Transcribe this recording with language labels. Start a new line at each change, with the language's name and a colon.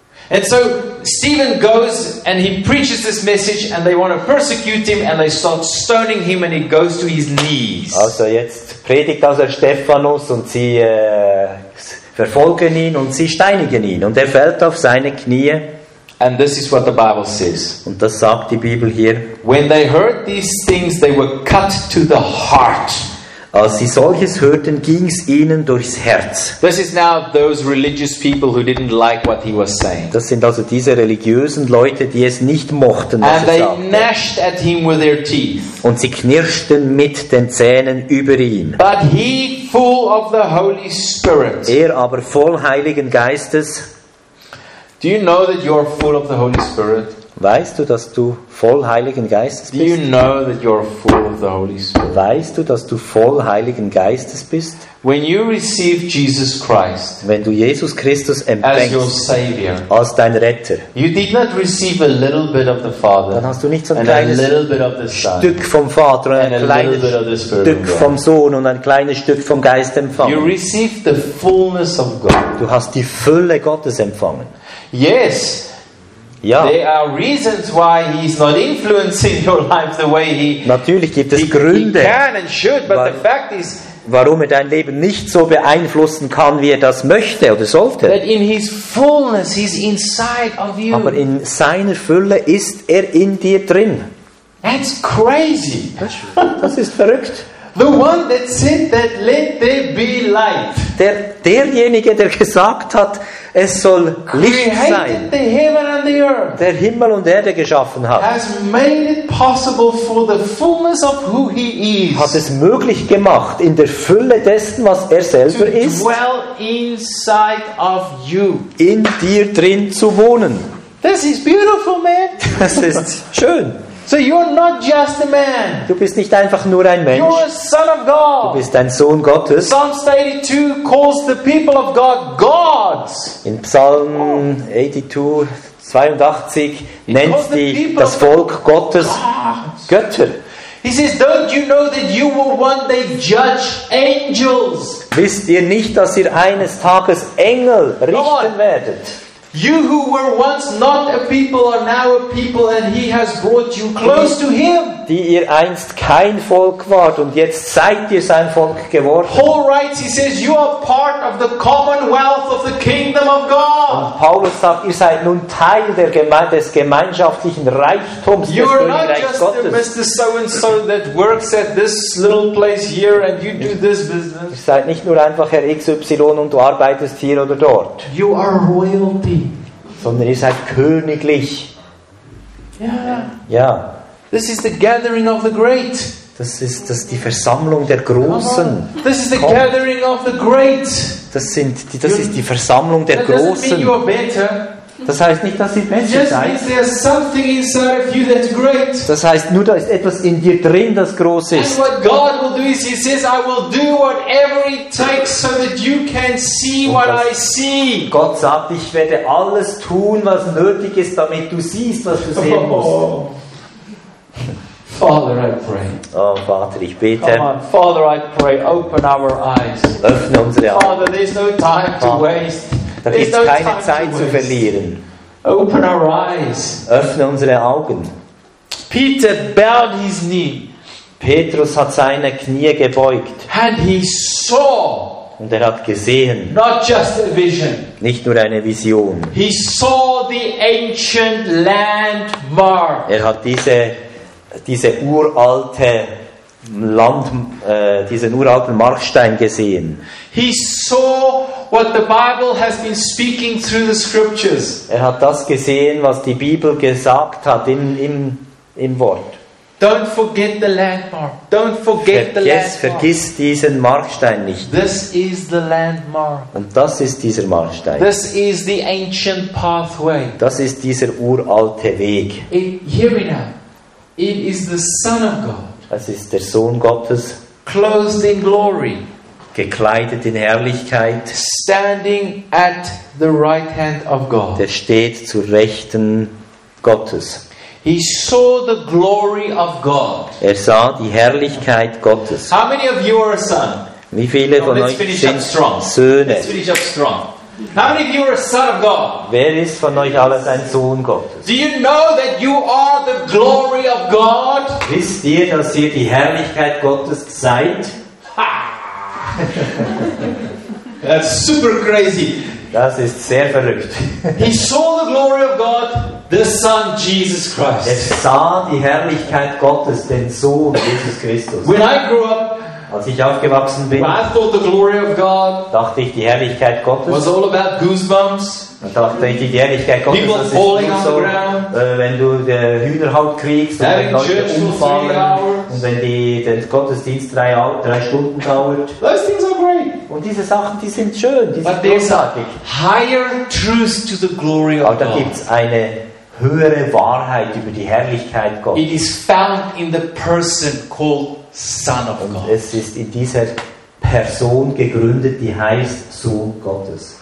English: And so Stephen goes and he preaches this message and they want to persecute him and they start stoning him and he goes to his knees.
German: Also jetzt predigt also Stephanus und sie verfolgen ihn und sie steinigen ihn und er fällt auf seine Knie.
English: And this is what the Bible says.
German: Und das sagt die Bibel hier.
English: When they heard these things, they were cut to the heart.
German: Als sie solches hörten, ging es ihnen durchs Herz.
English: This is now those religious people who didn't like what he was saying.
German: Das sind also diese religiösen Leute, die es nicht mochten, was
English: And
German: er
English: they
German: sagte.
English: Gnashed at him with their teeth.
German: Und sie knirschten mit den Zähnen über ihn.
English: But he, full of the Holy Spirit.
German: Er aber voll Heiligen Geistes.
English: Do you know that you are full of the Holy Spirit?
German: Weißt du, dass du voll Heiligen Geistes bist?
English: Do you know that you're full of the Holy Spirit?
German: Weißt du, dass du voll Heiligen Geistes bist?
English: When you receive Jesus Christ,
German: wenn du Jesus Christus empfängst
English: as your Savior,
German: als dein Retter,
English: you did not receive a little bit of the Father,
German: dann hast du nicht so ein kleines Stück vom Vater und ein kleines Stück vom Sohn und ein kleines Stück vom Geist empfangen.
English: You received the fullness of God.
German: Du hast die Fülle Gottes empfangen.
English: Yes.
German: Ja.
English: There are reasons why he's not influencing your life the way he.
German: Natürlich gibt es Gründe.
English: He can and should, but the fact is,
German: warum er dein Leben nicht so beeinflussen kann, wie er das möchte oder sollte.
English: That in his fullness, he's inside of you.
German: Aber in seiner Fülle ist er in dir drin.
English: That's crazy.
German: Das ist verrückt.
English: The one that said that let there be light.
German: Derjenige, der gesagt hat, es soll Licht sein,
English: the heaven and the earth,
German: der Himmel und Erde geschaffen hat,
English: has made it possible for the fullness of who he is,
German: hat es möglich gemacht, in der Fülle dessen, was er selber ist,
English: dwell inside of you.
German: In dir drin zu wohnen.
English: This is beautiful, man.
German: Das ist schön.
English: So you're not just a man.
German: Du bist nicht einfach nur ein Mensch.
English: You're a son of God.
German: Du bist ein Sohn Gottes.
English: Psalms 82 calls the people of God gods.
German: In Psalm 82 nennt die das Volk Gottes gods. Götter.
English: He says, don't you know that you will one day judge angels?
German: Wisst ihr nicht, dass ihr eines Tages Engel richten werdet?
English: You who were once not a people are now a people, and he has brought you close to him.
German: Die ihr einst kein Volk wart und jetzt seid ihr sein Volk geworden.
English: Paul writes, he says, you are part of the commonwealth of the kingdom of God.
German: Und Paulus sagt, ihr seid nun Teil der des gemeinschaftlichen Reichtums des Königreichs Gottes.
English: You are not just the Mr. So-and-so that works at this little place here and you do this business.
German: Ihr seid nicht nur einfach Herr XY und du arbeitest hier oder dort.
English: You are royalty.
German: Sondern ihr seid königlich.
English: Yeah.
German: Ja.
English: This is the gathering of the great.
German: Das ist das die Versammlung der Großen. Oh,
English: this is the Kommt. Gathering of the great.
German: Das sind die, das ist die Versammlung der Großen.
English: Doesn't mean you are better.
German: Das heißt nicht, dass ihr besser seid.
English: Just means there's something inside of you that's great.
German: Das heißt nur, da ist etwas in dir drin, das groß ist.
English: And what God will do is, He says, I will do whatever it takes, so that you can see what I see.
German: Gott sagt, ich werde alles tun, was nötig ist, damit du siehst, was du sehen musst.
English: Father, I pray.
German: Oh, Vater, ich bete.
English: Come on, Father, I pray. Open our eyes.
German: Öffne unsere Augen.
English: Father, there's no time to waste.
German: Da gibt es keine Zeit zu verlieren.
English: Open our eyes.
German: Öffne unsere Augen.
English: Peter bowed his knee.
German: Petrus hat seine Knie gebeugt.
English: And he saw.
German: Und er hat gesehen.
English: Not just a vision.
German: Nicht nur eine Vision.
English: He saw the ancient landmark.
German: Er hat diese uralte Land, diesen uralten Markstein gesehen.
English: He saw what the Bible has been speaking through the scriptures.
German: Er hat das gesehen, was die Bibel gesagt hat im Wort.
English: Don't forget the landmark. Don't forget the landmark.
German: Vergiss diesen Markstein nicht.
English: This is the landmark.
German: Und das ist dieser Markstein.
English: This is the ancient pathway.
German: Das ist dieser uralte Weg.
English: Hear me now. It is the Son of God.
German: Es ist der Sohn Gottes,
English: clothed in glory,
German: gekleidet in Herrlichkeit,
English: standing at the right hand of God.
German: Der steht zur Rechten Gottes.
English: He saw the glory of God.
German: Er sah die Herrlichkeit Gottes.
English: How many of you are a son?
German: Wie viele von euch sind Söhne?
English: Let's finish up strong. How many of you are a son of God?
German: Wer ist von euch alles ein Sohn Gottes?
English: Do you know that you are the glory of God?
German: Wisst ihr, dass ihr die Herrlichkeit Gottes seid?
English: Ha! That's super crazy.
German: Das ist sehr verrückt.
English: He saw the glory of God, the Son Jesus Christ.
German: Er sah die Herrlichkeit Gottes, den Sohn Jesus Christus.
English: When I grew up,
German: als ich aufgewachsen bin,
English: I thought the glory of God
German: dachte ich, die Herrlichkeit Gottes
English: was all about goosebumps.
German: Dann dachte ich, die Herrlichkeit Gottes,
English: people
German: das ist
English: falling
German: so,
English: on the ground,
German: wenn du die Hühnerhaut kriegst und wenn Leute umfallen und wenn der Gottesdienst drei Stunden dauert.
English: Those things are great.
German: Und diese Sachen, die sind schön, die sind großartig.
English: Higher truth to the glory of God.
German: Aber da gibt es eine höhere Wahrheit über die Herrlichkeit Gottes.
English: It is found in the person called Son of God.
German: Und es ist in dieser Person gegründet, die heißt Sohn Gottes.